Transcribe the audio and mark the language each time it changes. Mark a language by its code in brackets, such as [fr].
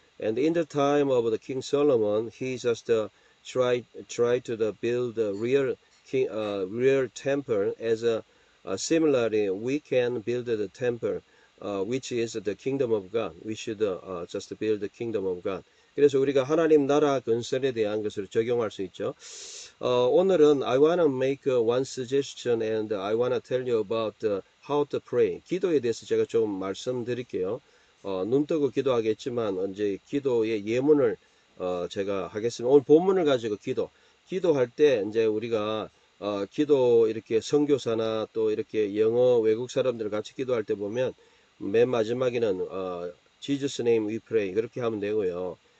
[en] And in the time of the King Solomon, he just tried to build a real king, real temple. As similarly, we can build the temple, which is the kingdom of God. We should just build the kingdom of God. [ko] 그래서 우리가 하나님 나라 건설에 대한 것을 적용할 수 있죠. [en] 오늘은 I wanna make one suggestion and I wanna tell you about how to pray. [ko] 기도에 대해서 제가 좀 말씀드릴게요. 눈 뜨고 기도하겠지만 이제 기도의 예문을 제가 하겠습니다. 오늘 본문을 가지고 기도. 기도할 때 이제 우리가 기도 이렇게 선교사나 또 이렇게 영어 외국 사람들 같이 기도할 때 보면 맨 마지막에는 [en] Jesus name we pray [ko] 그렇게 하면 되고요.